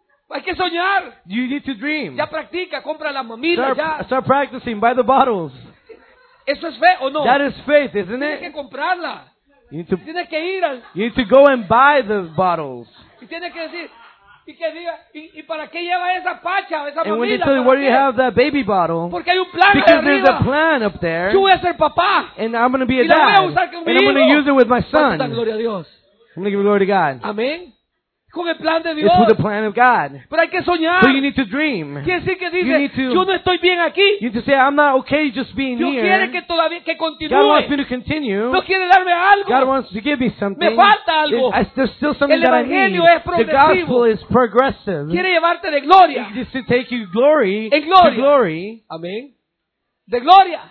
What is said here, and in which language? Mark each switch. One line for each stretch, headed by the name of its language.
Spanish: Hay que soñar.
English: You need to dream.
Spanish: Ya practica, compra las mamilas ya.
English: Start practicing, buy the bottles.
Spanish: Eso es fe o no.
English: That is faith, isn't it?
Spanish: Tienes que comprarla. Tienes que ir al.
English: You need to go and buy the bottles.
Spanish: Y tienes que decir y que diga y para qué lleva esa pacha, esa mamila.
English: And when you tell where you have that baby bottle.
Spanish: Porque hay un plan arriba.
English: Because there's a plan up there.
Spanish: Yo voy a ser papá.
English: And I'm going to be a dad.
Spanish: Y la voy a usar con mi hijo.
English: And I'm going to use it with my son.
Spanish: Gloria a Dios.
English: I'm going to give glory to God.
Spanish: Amén. Con el plan de Dios.
English: It's with the plan of God.
Spanish: Pero hay que soñar.
English: So you need to dream.
Spanish: Quiere decir que dice, yo no estoy bien aquí.
English: You need to say, I'm not okay just being
Spanish: Dios
English: here.
Spanish: Dios quiere que todavía que continúe.
English: God wants me to continue.
Spanish: Dios quiere darme algo.
English: God wants to give me something.
Spanish: Me falta algo.
English: There's still something that I need.
Spanish: El evangelio es progresivo.
English: The gospel is progressive.
Spanish: Quiere llevarte de gloria.
English: He needs to take you glory.
Spanish: En gloria.
English: To glory.
Spanish: Amén. De gloria.